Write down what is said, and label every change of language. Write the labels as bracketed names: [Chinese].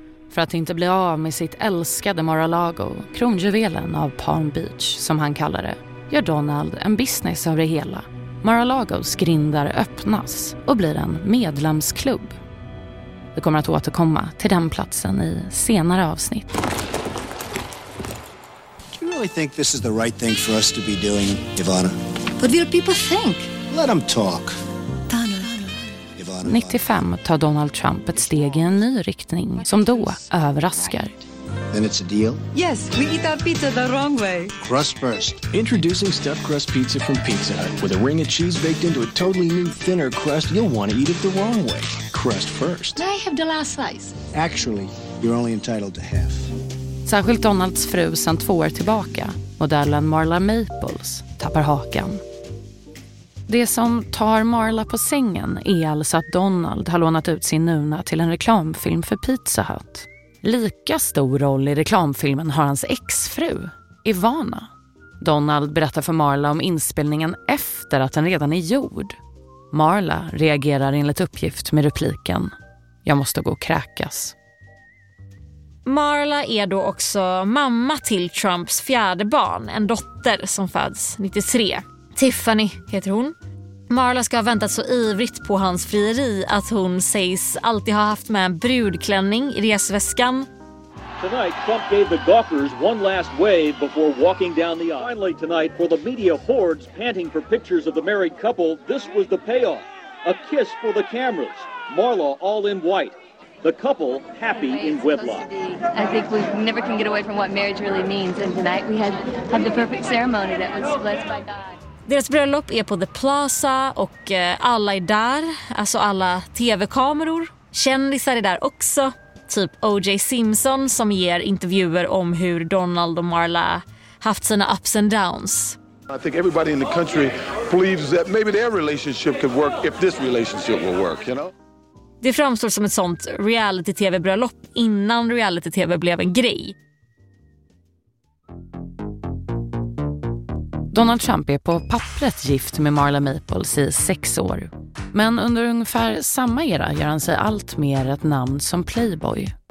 [Swedish] För att inte bli av med sitt älskade Mar-a-Lago, kronjuvelen av Palm Beach som han kallar det, gör Donald en business av det hela. Mar-a-Lagos grindar öppnas och blir en medlemsklubb. Vi kommer att återkomma till den platsen i senare avsnitt. [English] Do you really think this is the right thing for us to be doing, Ivana? What will people think? Let them talk. [Swedish] 95 tar Donald Trump ett steg i en ny riktning som då överraskar. [English] Then it's a deal? Yes, we eat our pizza the wrong way. Crust first. Introducing stuffed crust pizza from Pizza Hut. With a ring of cheese baked into a totally new thinner crust, you'll want to eat it the wrong way. Crust first. May I have the last slice? Actually, you're only entitled to half. [Swedish] Särskilt Donalds fru sedan 2 år tillbaka, modellen Marla Maples, tappar hakan. Det som tar Marla på sängen är alltså att Donald har lånat ut sin nuna till en reklamfilm för Pizza Hut. Lika stor roll i reklamfilmen har hans exfru, Ivana. Donald berättar för Marla om inspelningen efter att den redan är gjord. Marla reagerar enligt uppgift med repliken: "Jag måste gå och kräkas." Marla är då också mamma till Trumps fjärde barn, en dotter som föds 93. Tiffany heter hon. Marla ska ha väntat så ivrigt på hans frieri att hon sägs alltid ha haft med en brudklänning i resväskan. [English] Tonight Trump gave the gawkers one last wave before walking down the aisle. Finally tonight, for the media hordes panting for pictures of the married couple, this was the payoff. A kiss for the cameras. Marla all in white. The couple happy in wedlock. I think we never can get away from what marriage really means, and tonight we had the perfect ceremony that was blessed by God. [Swedish] Deras bröllop är på The Plaza och alla är där, alltså alla tv-kameror. Kändisar är där också, typ O.J. Simpson som ger intervjuer om hur Donald och Marla haft sina [English] ups and downs. I think everybody in the country believes that maybe their relationship could work if this relationship will work, you know? [Swedish] Det framstår som ett sånt reality-tv-bröllop innan reality-tv blev en grej. Donald Trump är på pappret gift med Marla Maples i 6 år. Men under ungefär samma era gör han sig allt mer ett namn som Playboy.